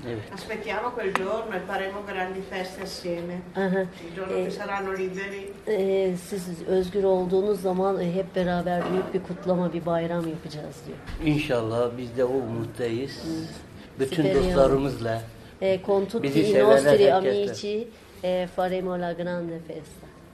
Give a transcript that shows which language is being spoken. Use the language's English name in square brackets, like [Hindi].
[Italian] Aspettiamo quel giorno e faremo grandi feste assieme. Il giorno che saranno liberi. [Turkish] Siz özgür olduğunuz zaman hep beraber büyük bir kutlama, bir bayram yapacağız diyor. İnşallah biz de o umuttayız. Bütün dostlarımızla. [Italian] Con tutti i nostri amici faremo la grande festa.